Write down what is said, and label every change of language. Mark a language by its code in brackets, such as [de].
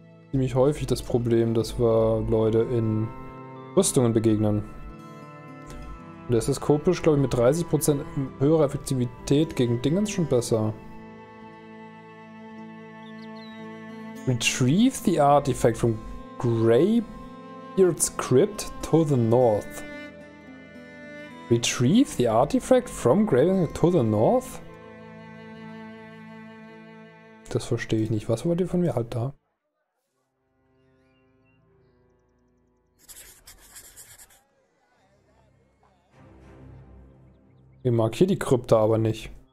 [de] Ziemlich häufig das Problem, dass wir Leute in Rüstungen begegnen. Und das ist Kopesch, glaube ich, mit 30% höherer Effektivität gegen Dingens schon besser. [en] Retrieve the artifact from Greybeard's Crypt to the north. Retrieve the artifact from Greybeard's Crypt to the north? [de] Das verstehe ich nicht. Was wollt ihr von mir? Halt da. Ich markiere die Krypta aber nicht.